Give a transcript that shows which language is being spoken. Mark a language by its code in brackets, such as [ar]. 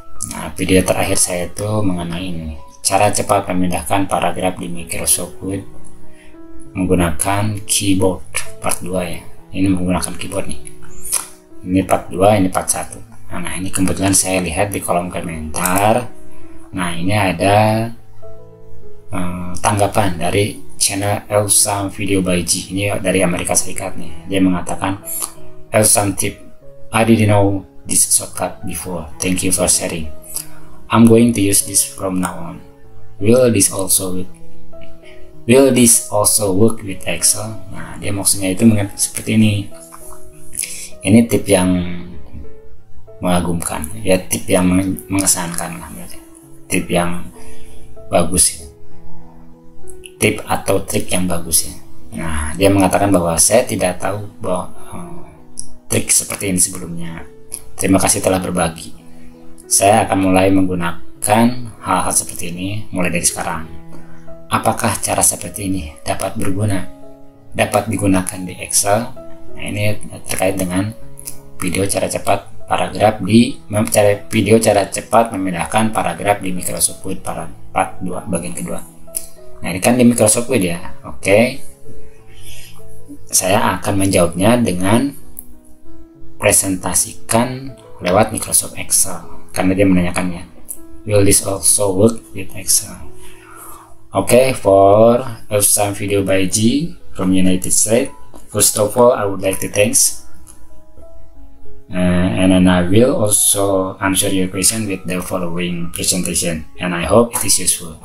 [id] Nah, video terakhir saya itu mengenai ini, cara cepat memindahkan paragraf di Microsoft Word menggunakan keyboard part 2 ya. Ini menggunakan keyboard nih. Ini part 2, ini part 1. Nah, ini kebetulan saya lihat di kolom komentar. Nah, ini ada tanggapan dari channel Elsam Video by G. Ini dari Amerika Serikat nih. Dia mengatakan, [en] "Elsam tip, I didn't know this shortcut before. Thank you for sharing. I'm going to use this from now on. Will this also work with Excel?" [id] Nah, dia maksudnya itu seperti ini. Ini tip yang mengagumkan. Ya, tip yang mengesankan lah. Tip yang bagus ya. Tip atau trik yang bagus ya. Nah, dia mengatakan bahwa saya tidak tahu bahwa trik seperti ini sebelumnya. Terima kasih telah berbagi. Saya akan mulai menggunakan hal-hal seperti ini mulai dari sekarang. Apakah cara seperti ini dapat berguna? Dapat digunakan di Excel? Nah, ini terkait dengan video cara cepat paragraf di mencari video cara cepat memindahkan paragraf di Microsoft Word part 2 bagian kedua. Nah, ini kan di Microsoft Word ya. Oke. Saya akan menjawabnya dengan presentasikan lewat Microsoft Excel. Karena dia menanyakannya, [en] will this also work with Excel? Okay, for Elsam Video by G from United States. First of all, I would like to thanks, and then I will also answer your question with the following presentation, and I hope it is useful.